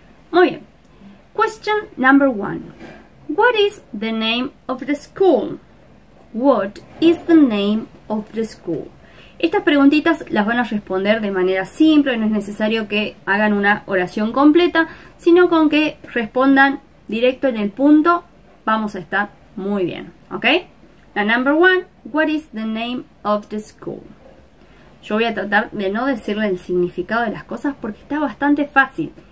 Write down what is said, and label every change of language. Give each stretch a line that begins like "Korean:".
English: Muy bien. Question number one. What is the name of the school? What is the name of the school?
Spanish: Estas preguntitas las van a responder de manera simple, no es necesario que hagan una oración completa, sino con que respondan directo en el punto, vamos a estar muy bien, ¿ok?
English: La number one, what is the name of the school?
Spanish: Yo voy a tratar de no decirle el significado de las cosas porque está bastante fácil.